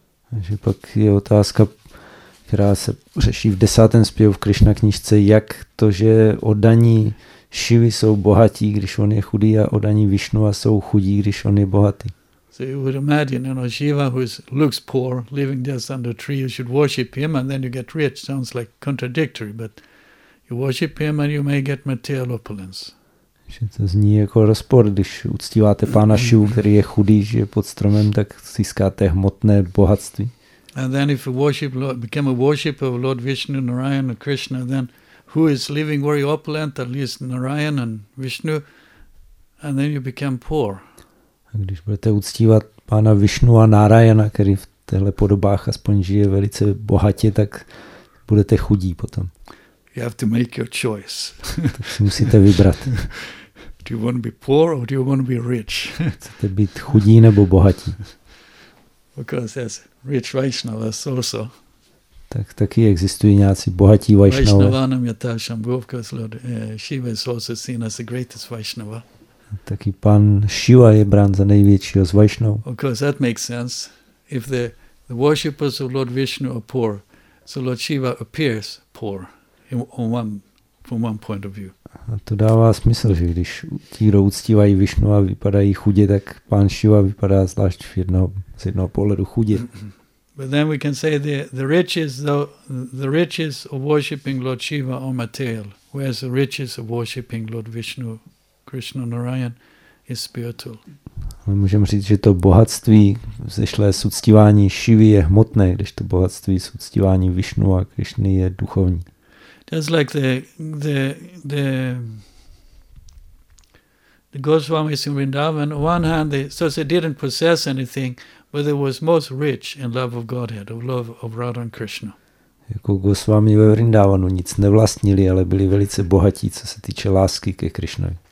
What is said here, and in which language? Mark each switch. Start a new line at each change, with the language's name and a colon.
Czech: Takže pak je otázka, která se řeší v 10. zpěvu v Krishna knižce, jak to, že oddaní Šivy jsou bohatí, když on je chudý, a oddaní Vishnu jsou chudí, když on je bohatý.
English: So you would imagine, you know, Shiva, who is, looks poor, living just under a tree, you should worship him and then you get rich. Sounds like contradictory, but you worship him and you may get material opulence.
Czech: To zní jako rozpor, když uctíváte pána Shivu, který je chudý, že je pod stromem, tak získáte hmotné bohatství.
English: And then if you worship Lord, become a worshipper of Lord Vishnu, Narayan and Krishna, then who is living very opulent, at least Narayan and Vishnu, and then you become poor.
Czech: A když budete uctívat pána Vishnu a Narayana, který v těchto podobách aspoň žije velice bohatě, tak budete chudí potom.
English: You have to make your choice.
Czech: Tak si musíte vybrat.
English: Do you want to be poor or do you want to be rich?
Czech: Chcete být chudí nebo bohatí?
English: Because there's rich Vaishnavas also.
Czech: Tak taky existují nějací bohatí Vaishnavas.
Sanskrit: Vaishnavanam yata shambhu,
English: of course, Lord Shiva is also seen as the greatest Vaishnava.
Czech: Taky pan Shiva je brán za největšího z Vaishnavu.
English: Of course, that makes sense. If the worshippers of Lord Vishnu are poor, so Lord Shiva appears poor. From one point of view.
Czech: A to dává smysl, že když ti, kdo uctívají Vishnu a vypadají chudě, tak pán Shiva vypadá zvlášť z jednoho pohledu chudě.
English: But then we can say the riches of worshipping Lord Shiva are material, whereas the riches of worshipping Lord Vishnu, Krishna, Narayan is spiritual.
Czech: Ale můžeme říct, že to bohatství vzešlé z uctívání Shivy je hmotné, když to bohatství z uctívání Vishnu a Krishny je duchovní.
English: Just like the Goswamis in Vrindavan, on one hand, they didn't possess anything, but they was most rich in love of Godhead, of love of Radha and Krishna.
Czech: Jako Goswami ve Vrindavanu nic nevlastnili, ale byli velice bohatí, co se týče lásky ke Krishnovi.